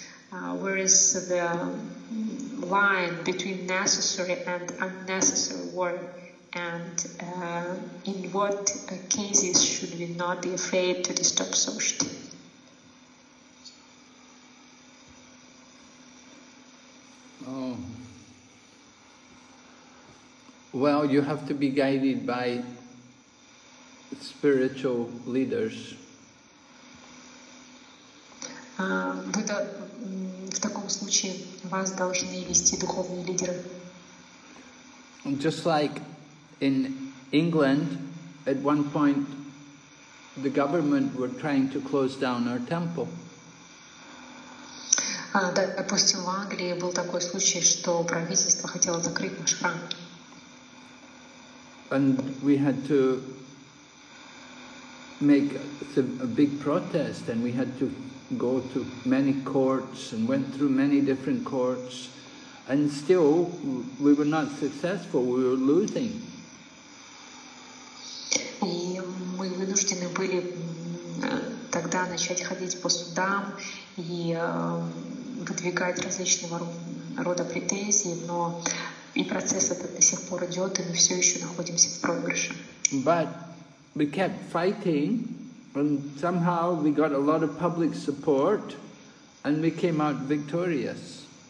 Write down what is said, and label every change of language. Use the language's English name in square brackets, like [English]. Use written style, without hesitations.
[English] Whereas the line between necessary and unnecessary work, and in what cases should we not be afraid to disturb society? Oh. Well, you have to be guided by spiritual leaders. [Russian] В таком случае вас должны вести духовные лидеры. [English] Just like in England, at one point the government were trying to close down our temple. [Russian] Да, допустим, в Англии был такой случай, что правительство хотело закрыть наш храм. [English] And we had to make a big protest, and we had to go to many courts and went through many different courts, and still we were not successful, we were losing. [Russian] И мы вынуждены были тогда начать ходить по судам и выдвигать различного рода претензии, но и процесс этот до сих пор идет, и мы все еще находимся в проигрыше. [English] But we kept fighting. And somehow we got a lot of public support, and we came out victorious.